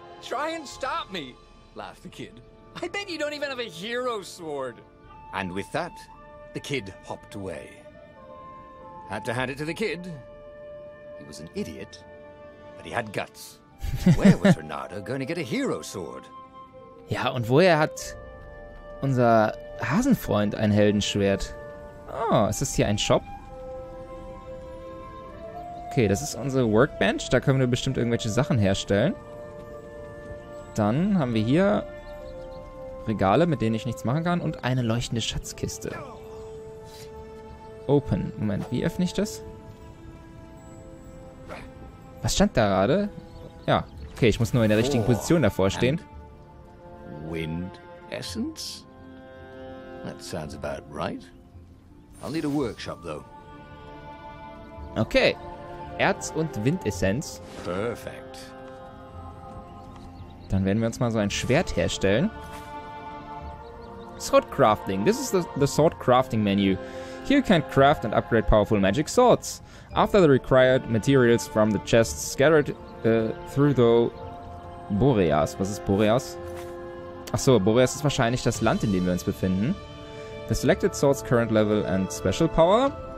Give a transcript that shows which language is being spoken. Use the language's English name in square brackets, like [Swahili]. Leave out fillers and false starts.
[English] Try and stop me, laughed the kid. I bet you don't even have a hero's sword. And with that, the kid hopped away. Had to hand it to the kid. He was an idiot, but he had guts. Where was Reynardo going to get a hero sword? [German] Ja, und woher hat unser Hasenfreund ein Heldenschwert? Oh, ist das hier ein Shop? Okay, das ist unsere Workbench. Da können wir bestimmt irgendwelche Sachen herstellen. Dann haben wir hier Regale, mit denen ich nichts machen kann. Und eine leuchtende Schatzkiste. [English] Open. [German] Moment, wie öffne ich das? Was stand da gerade? Ja, okay, ich muss nur in der richtigen Position davor stehen. [English] Wind Essence? That sounds about right. I'll need a workshop, though. [German] Okay. Erz- und Windessenz. Perfekt. Dann werden wir uns mal so ein Schwert herstellen. [English] Sword Crafting. This is the Sword Crafting Menu. Here you can craft and upgrade powerful magic swords. After the required materials from the chest scattered through the Boreas. [German] Was ist Boreas? Achso, Boreas ist wahrscheinlich das Land, in dem wir uns befinden. [English] The selected swords current level and special power.